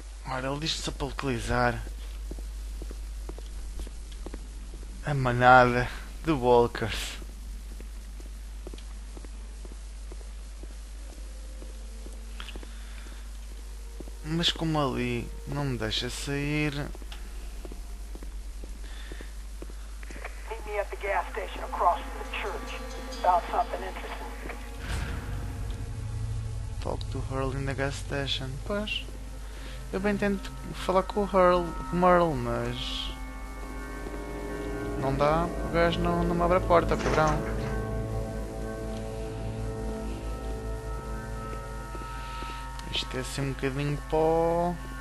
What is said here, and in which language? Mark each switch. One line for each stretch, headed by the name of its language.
Portuguese: Ora, ele diz-te só para localizar a manada de walkers. Mas como ali não me deixa sair...
English: Meet me at the gas station across from the church. About something interesting. Talk to Hurl in the gas station.
Portuguese: Pois. Eu bem tento falar com o Hurl, mas... Não dá, o gajo não me abre a porta, cabrão. Isto é assim um bocadinho pó...